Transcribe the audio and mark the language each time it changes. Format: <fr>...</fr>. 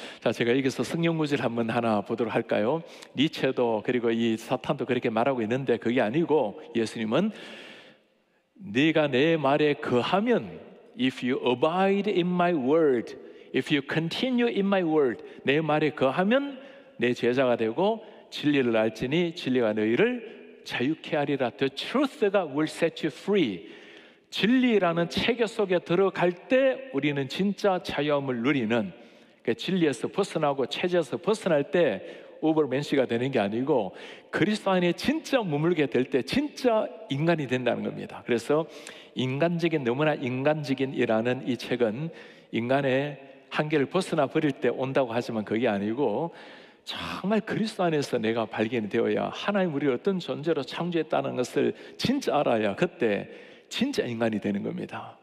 <ko>자, 제가 여기서 성경구절 한번 하나 보도록 할까요? 니체도 그리고 이 사탄도 그렇게 말하고 있는데 그게 아니고 예수님은 네가 내 말에 거하면</ko> <en>If you abide in my word,</en> <ko>if you continue in my word, 내 말에 거하면 내 제자가 되고 진리를 알지니 진리가 너희를 자유케 하리라.</ko> <en>The truth가 will set you free.</en> <ko>진리라는 체계 속에 들어갈 때 우리는 진짜 자유함을 누리는, 그러니까 진리에서 벗어나고 체제에서 벗어날 때 우버맨시가 되는 게 아니고 그리스도 안에 진짜 머물게 될 때 진짜 인간이 된다는 겁니다. 그래서 인간적인, 너무나 인간적인이라는 이 책은 인간의 한계를 벗어나 버릴 때 온다고 하지만 그게 아니고 정말 그리스도 안에서 내가 발견이 되어야, 하나님 우리를 어떤 존재로 창조했다는 것을 진짜 알아야 그때 진짜 인간이 되는 겁니다.</ko>